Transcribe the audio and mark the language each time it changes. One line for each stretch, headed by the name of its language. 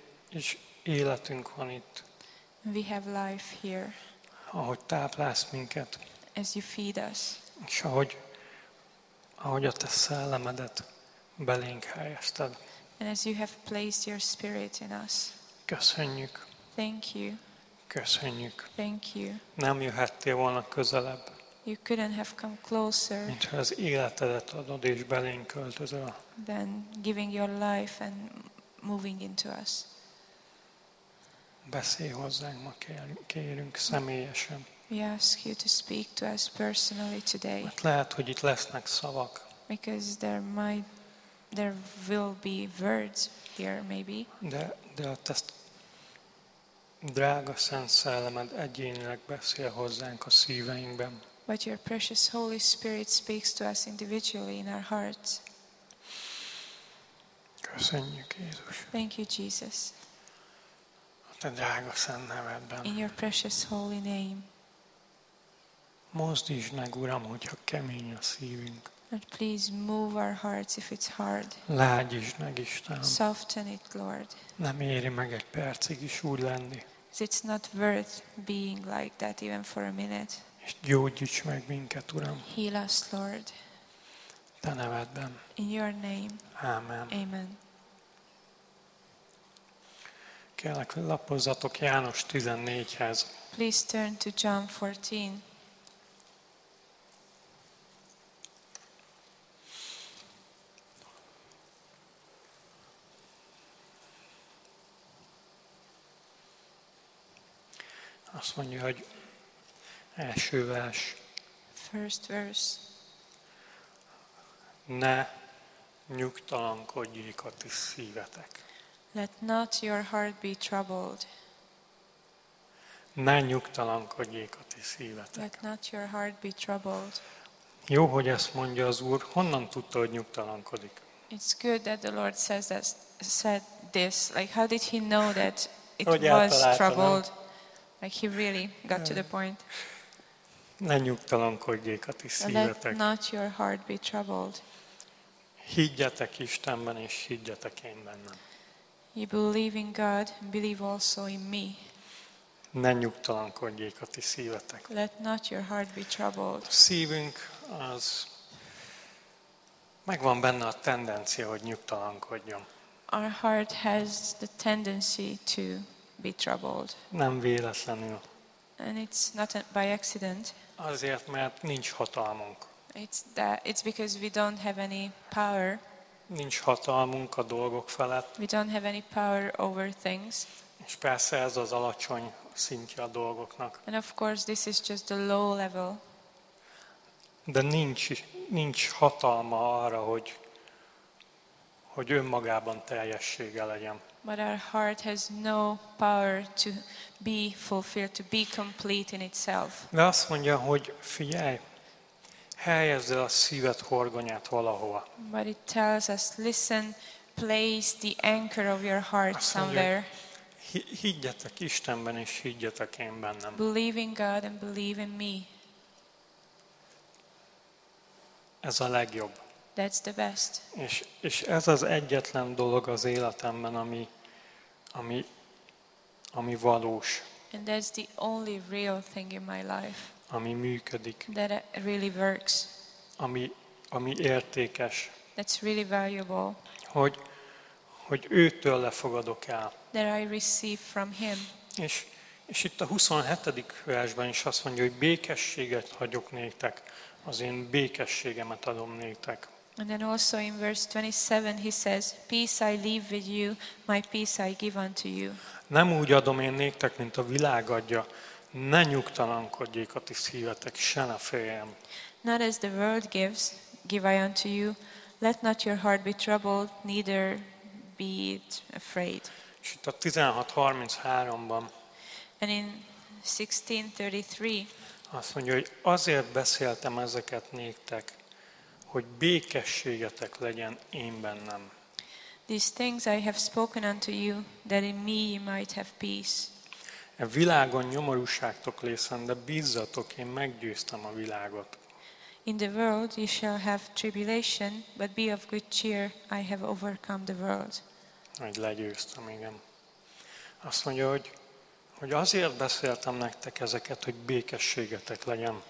Hungarian: És életünk van itt.
English: We have life here.
Hungarian: Ahogy táplálsz minket.
English: As you feed us.
Hungarian: És ahogy a te szellemedet belénk helyezted.
English: And as you have placed your spirit in us.
Hungarian: Köszönjük.
English: Thank you.
Hungarian: Köszönjük.
English: Thank you.
Hungarian: Nem jöhettél volna közelebb.
English: You couldn't have come closer.
Hungarian: Mint ha az életedet adod és belénk költözöl.
English: Than giving your life and moving into us.
Hungarian: Beszélj hozzánk ma, kérünk személyesen.
English: We ask you to speak to us personally today.
Hungarian: Mert lehet, hogy itt lesznek szavak.
English: Because there will be words here maybe.
Hungarian: De a te drága Szent Szellemed egyénileg beszél hozzánk a szíveinkben.
English: But your precious Holy Spirit speaks to us individually in our hearts.
Hungarian: Köszönjük, Jézus.
English: Thank you, Jesus.
Hungarian: A te drága Szent Nevedben.
English: In your precious Holy Name.
Hungarian: Mozdítsd meg, Uram, hogyha kemény a szívünk.
English: And please move our hearts if it's hard.
Hungarian: Lágyítsd meg, Istenem.
English: Soften it, Lord.
Hungarian: Nem éri meg egy percig is úgy lenni.
English: It's not worth being like that even for a minute.
Hungarian: És gyógyíts meg minket, Uram.
English: Heal us, Lord.
Hungarian: Te nevedben.
English: In your name.
Hungarian: Amen.
English: Amen.
Hungarian: Kérlek, lapozzatok János 14-hez.
English: Please turn to John 14.
Hungarian: Azt mondja, hogy első vers.
English: First verse.
Hungarian: Ne nyugtalankodjék a ti szívetek.
English: Let not your heart be troubled.
Hungarian: Ne nyugtalankodjék a ti szívetek.
English: Let not your heart be troubled.
Hungarian: Jó, hogy ezt mondja az Úr. Honnan tudta, hogy nyugtalankodik?
English: It's good that the Lord said this. Like, how did he know that it was troubled? Like he really got to the point.
Hungarian: Ne nyugtalankodjék a ti szívetek.
English: Let not your heart be troubled.
Hungarian: Higgyetek Istenben és higgyetek én bennem.
English: You believe in God, believe also in me.
Hungarian: Ne nyugtalankodjék a ti szívetek.
English: Let not your heart be troubled.
Hungarian: A szívünk az megvan benne a tendencia, hogy nyugtalankodjon.
English: Our heart has the tendency to be troubled.
Hungarian: Nem véletlenül.
English: And it's not by accident.
Hungarian: Azért, mert nincs hatalmunk.
English: It's because we don't have any power.
Hungarian: Nincs hatalmunk a dolgok felett.
English: We don't have any power over things.
Hungarian: És persze ez az alacsony szintje a dolgoknak.
English: And of course this is just the low level.
Hungarian: De nincs hatalma arra, hogy önmagában teljessége legyen.
English: But our heart has no power to be fulfilled, to be complete in itself.
Hungarian: De azt mondja, hogy figyelj, helyezd el a szíved horgonyát valahova.
English: But it tells us, listen, place the anchor of your heart
Hungarian: azt
English: somewhere.
Hungarian: Higgyetek Istenben és higgyetek én bennem.
English: Believe in God and believe in me.
Hungarian: Ez a legjobb.
English: That's the best.
Hungarian: És ez az egyetlen dolog az életemben, ami valós.
English: And that's the only real thing in my life.
Hungarian: Ami működik.
English: That really works.
Hungarian: Ami értékes.
English: That's really valuable.
Hungarian: Hogy őtől lefogadok el.
English: That I receive from him.
Hungarian: És itt a 27. versben is azt mondja, hogy békességet hagyok néktek, az én békességemet adom néktek.
English: And then also in verse 27 he says, peace I leave with you, my peace I give unto you.
Hungarian: Nem úgy adom én néktek, mint a világ adja. Ne nyugtalankodjék a ti szívetek, se ne féljen.
English: Not as the world gives, give I unto you. Let not your heart be troubled, neither be it afraid.
Hungarian: És itt a 16:33-ban.
English: And in 16:33.
Hungarian: Azt mondja, hogy azért beszéltem ezeket néktek, hogy békességetek legyen én bennem.
English: These things I have spoken unto you, that in me ye might have peace.
Hungarian: E világon nyomorúságtok lészen, de bízzatok, én meggyőztem a világot.
English: In the world you shall have tribulation, but be of good cheer, I have overcome the world.
Hungarian: Hogy legyőztem, igen. Azt mondja, hogy azért beszéltem nektek ezeket, hogy békességetek legyen.